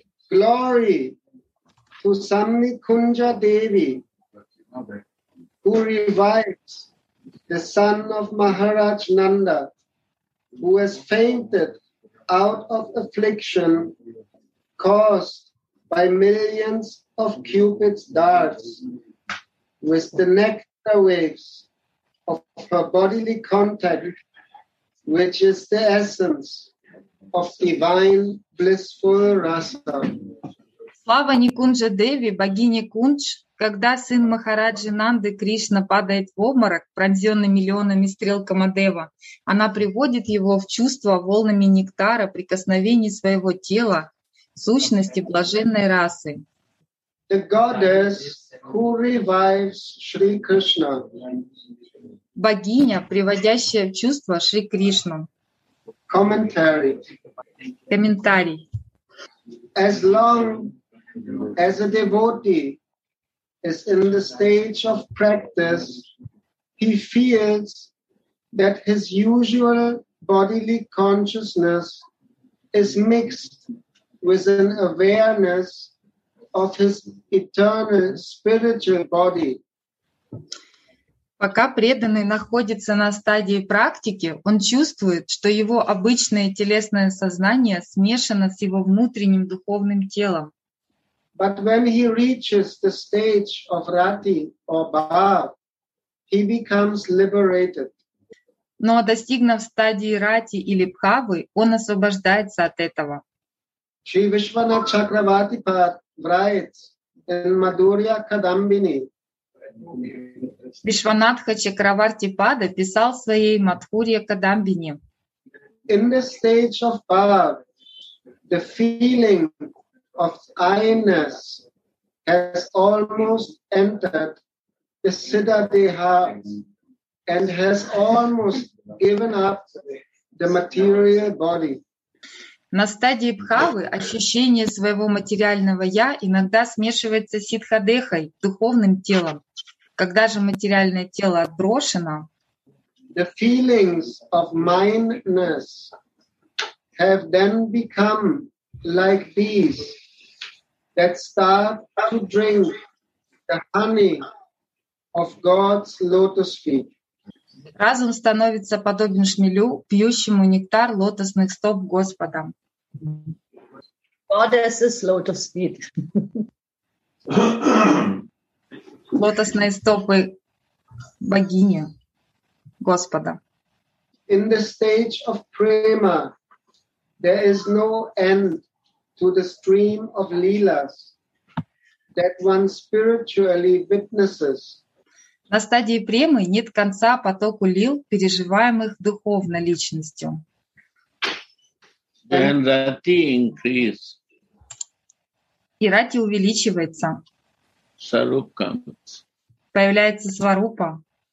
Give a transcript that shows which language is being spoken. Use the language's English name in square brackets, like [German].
[English] Glory to Samni Kunja Devi, who revives the son of Maharaj Nanda, who has fainted out of affliction caused by millions of Cupid's darts, with the nectar waves of her bodily contact, which is the essence of divine blissful rasa. [Russian] Слава Никунджа Деви, богине Кундж, когда сын Махараджи Нанды Кришна падает в обморок, пронзенный миллионами стрел Камадева, она приводит его в чувство волнами нектара, прикосновений своего тела, сущности блаженной расы. [English] The goddess who revives Shri Krishna. [Russian] Богиня, приводящая в чувство Шри Кришну. [English] Commentary. [Russian] Комментарий. [English] As long as a devotee is in the stage of practice, he feels that his usual bodily consciousness is mixed with an awareness of his eternal spiritual body. [Russian] Пока преданный находится на стадии практики, он чувствует, что его обычное телесное сознание смешано с его внутренним духовным телом. [English] But when he reaches the stage of Rati or Bhav, he becomes liberated. [Russian] Но достигнув стадии Рати или Бхавы, он освобождается от этого. [English] Shri Vishwanath Chakravartipad writes in Madhurya Kadambini. [Russian] Вишванатха Чакравартипада писал своей Мадхурья Кадамбини. [English] In the stage of Bhav, the feeling of I-ness has almost entered the Siddha Deha and has almost given up the material body. [Russian] На стадии Бхавы ощущение своего материального я иногда смешивается с Сиддха Дехой, духовным телом. когда же материальное тело отброшено, [English] the feelings of mindness have then become like bees that start to drink the honey of God's lotus feet. [Russian] Разум становится подобен шмелю, пьющему нектар лотосных стоп Господа. [English] Goddess's lotus feet. [Russian] Лотосные стопы богини Господа. [English] In the stage of prema, there is no end to the stream of lilas that one spiritually witnesses. [Russian] На стадии премы нет конца потоку лил, переживаемых духовно личностью. [English] Then rati increase. [Russian] И рати увеличивается. [English] Сварупа comes. [Russian] Появляется сварупа.